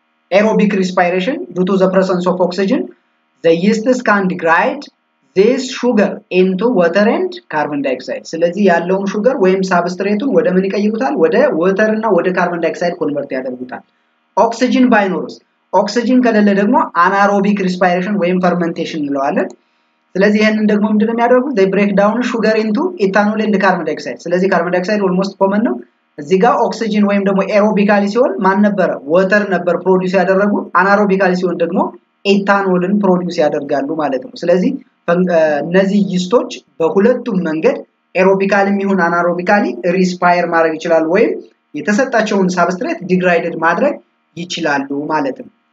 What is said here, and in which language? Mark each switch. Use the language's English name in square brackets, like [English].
[English] aerobic respiration due to the presence of oxygen, the yeasts can degrade this sugar into water and carbon dioxide. [Amharic] ስለዚህ ያለውን sugar ወይም substrateን ወደ ምን ይቀይሩታል? ወደ water እና ወደ carbon dioxide ኮንቨርት ያደርጉታል። oxygen binors oxygen ከሌለ ደግሞ anaerobic respiration ወይም fermentation እንለዋለን። ስለዚህ ይሄንን ደግሞ ምንድነው የሚያደርጉት? [English] they break down sugar into ethanol and carbon dioxide. [Amharic] ስለዚህ carbon dioxide almost common ነው። እዚህ ጋር ኦክሲጅን ወይም ደግሞ ኤሮቢካሊ ሲሆን ማን ነበር? ወተር ነበር ፕሮዲዩስ ያደረጉ። አናሮቢካሊ ሲሆን ደግሞ ኤታኖልን ፕሮዲዩስ ያደርጋሉ ማለት ነው። ስለዚህ እነዚህ ይስቶች በሁለቱም መንገድ ኤሮቢካሊም ይሁን አናሮቢካሊ ሪስፓየር ማድረግ ይችላሉ ወይም የተሰጣቸውን ሳብስትሬት ዲግራይድድ ማድረግ ይችላሉ ማለት ነው።